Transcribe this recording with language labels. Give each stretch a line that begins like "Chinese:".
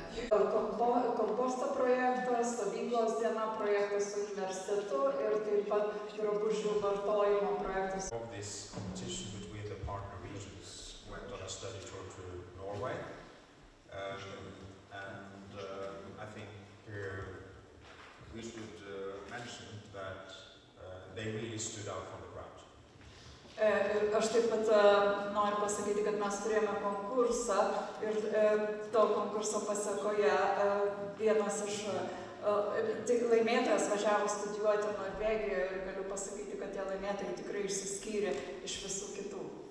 Lithuanian: komposto projektas, stovyklos diena projektas su universitetu ir taip pat drabužių vartojimo projektas.
English: Of this competition between the partner regions went on a study tour to Norway. I think here we should mention that they really stood out from the crowd.
Lithuanian: Aš taip pat noriu pasakyti, kad mes turėjome konkursą ir to konkurso pasakoje vienas iš laimėtojas važiavo studijuoti Norvegijoje ir galiu pasakyti, kad tie laimėtojai tikrai išsiskyrė iš visų kitų.